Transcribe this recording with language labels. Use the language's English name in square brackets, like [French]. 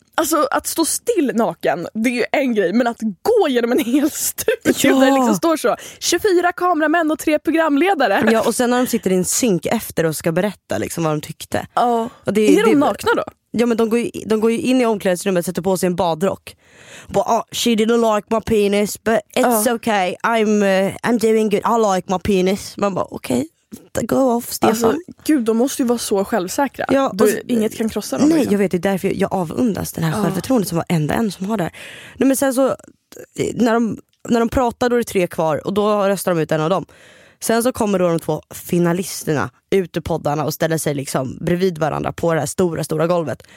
[Swedish] Alltså att stå still naken, det är ju en grej, men att gå genom en hel studio där det liksom står så 24 kameramän och 3 programledare. Ja, och sen när de sitter i en synk efter och ska berätta liksom vad de tyckte. Ja. Och är de nakna då? Ja, men de går ju in i omklädningsrummet och sätter på sig en badrock. [English] She didn't like my penis, but it's okay. I'm doing good. I like my penis. [Swedish] Man bara okej. [English] Okay. Go off, Stefan. [Swedish] Alltså, gud, de måste ju vara så självsäkra. Ja, inget kan krossa dem. Nej, liksom. Jag vet, det är därför jag avundas den här självförtroendet som var enda en som har det. Nej, men sen så, när de pratar, då är det 3 kvar. Och då röstar de ut en av dem. Sen så kommer då de 2 finalisterna ut ur poddarna och ställer sig liksom bredvid varandra på det här stora, stora golvet.